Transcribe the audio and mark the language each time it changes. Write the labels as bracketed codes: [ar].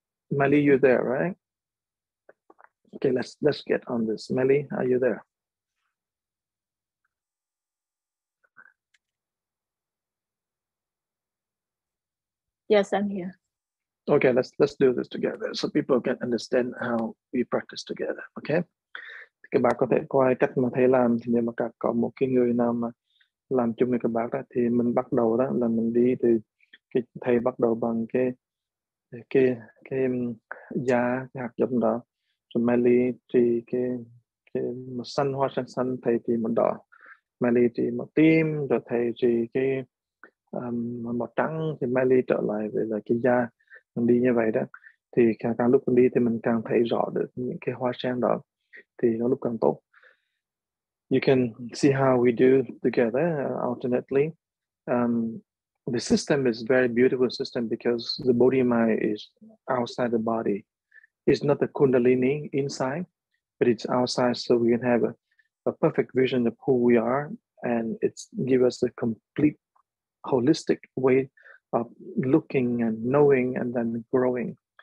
[en] Mali, you're there, right? Okay, let's get on this. Mali, are you there? Yes, I'm here. Okay, let's do this together so people can understand how we practice together. Okay. [vi] Các bạn có thể coi cách mà thầy làm thì nếu mà các có một cái người nào mà làm chung với các bạn đó thì mình bắt đầu đó là mình đi từ cái thầy bắt đầu bằng cái giá cái hạt giống đó. So Mali thì cái màu xanh hoa xanh xanh thầy thì màu đỏ. Mali thì màu tím rồi thầy thì cái màu trắng thì Mali trở lại về là cái da mình đi như vậy đó thì càng lúc mình đi thì mình càng thấy rõ được những cái hoa sen đó thì nó lúc càng tốt. [en] You can see how we do together alternately. The system is very beautiful system because the body mind is outside the body. It's not the kundalini inside, but it's outside so we can have a perfect vision of who we are and it's give us a complete holistic way of looking and knowing and then growing.